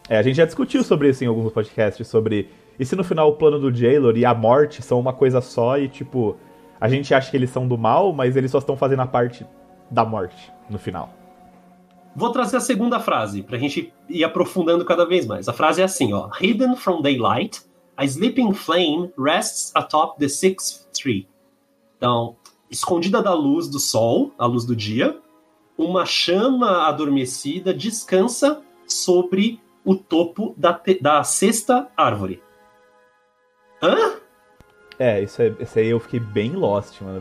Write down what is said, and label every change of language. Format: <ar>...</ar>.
<pt>É, a gente já discutiu sobre isso em alguns podcasts, sobre... E se no final o plano do Jailor e a morte são uma coisa só e, tipo, a gente acha que eles são do mal, mas eles só estão fazendo a parte da morte no final. Vou trazer a segunda frase, pra gente ir aprofundando cada vez mais. A frase é assim, ó,</pt> <en>Hidden from Daylight... A Sleeping Flame rests atop the sixth tree.</en> <pt>Então, escondida da luz do sol, a luz do dia, uma chama adormecida descansa sobre o topo da sexta árvore. Hã? É, isso aí eu fiquei bem lost, mano.</pt>